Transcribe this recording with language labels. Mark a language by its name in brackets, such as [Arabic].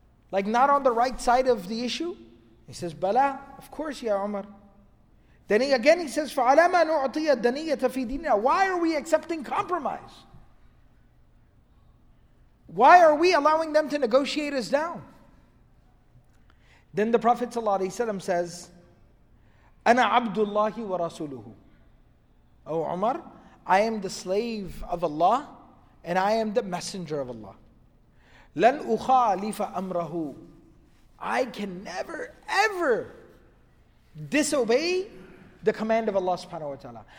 [English] Like not on the right side of the issue? He says, Bala, of course, Ya Umar. Then he, again he says, [Arabic] فَعَلَمَا نُعْطِيَ الدَّنِيَّةَ فِي دِينِنَا. [English] Why are we accepting compromise? Why are we allowing them to negotiate us down? Then the Prophet ﷺ says, [Arabic] أَنَا عَبْدُ اللَّهِ وَرَسُولُهُ. [English] O Umar, I am the slave of Allah and I am the messenger of Allah. [Arabic] لَنْ أُخَالِفَ أَمْرَهُ. [English] I can never, ever disobey the command of Allah subhanahu wa ta'ala.